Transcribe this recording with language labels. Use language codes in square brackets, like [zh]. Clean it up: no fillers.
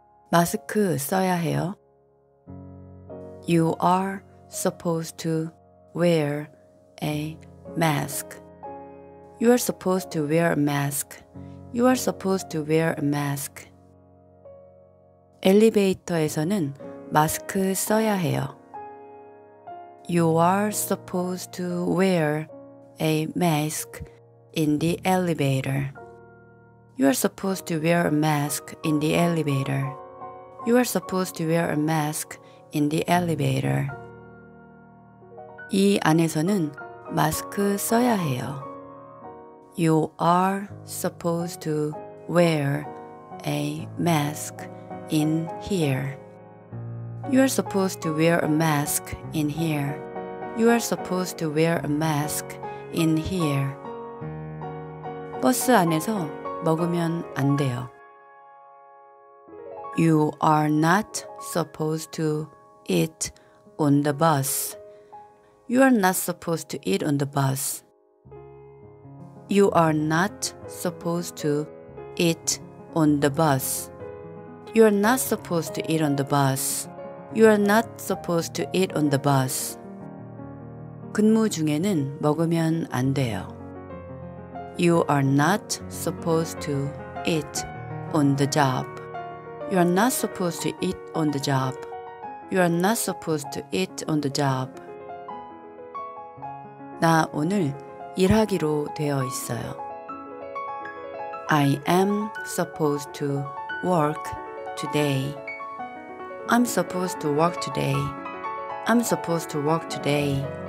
[ko] 마스크 써야 해요. [en] You are supposed to wear a mask. You are supposed to wear a mask. You are supposed to wear a mask. [ko] 엘리베이터에서는 마스크 써야 해요. [en] You are supposed to wear a mask in the elevator. You are supposed to wear a mask in the elevator. You are supposed to wear a mask in the elevator. [ko] 이 안에서는 마스크 써야 해요. [en] You are supposed to wear a mask in here. You are supposed to wear a mask in here. You are supposed to wear a mask in here. [ko] 버스 안에서 먹으면 안 돼요. [en] You are not supposed to eat on the bus. You are not supposed to eat on the bus. You are not supposed to eat on the bus. You are not supposed to eat on the bus. You are not supposed to eat on the bus. [ko] 근무 중에는 먹으면 안 돼요. [en] You are not supposed to eat on the job. You are not supposed to eat on the job. You are not supposed to eat on the job. [ko] 나 오늘 일하기로 되어 있어요. [en] I am supposed to work today. I'm supposed to work today. I'm supposed to work today.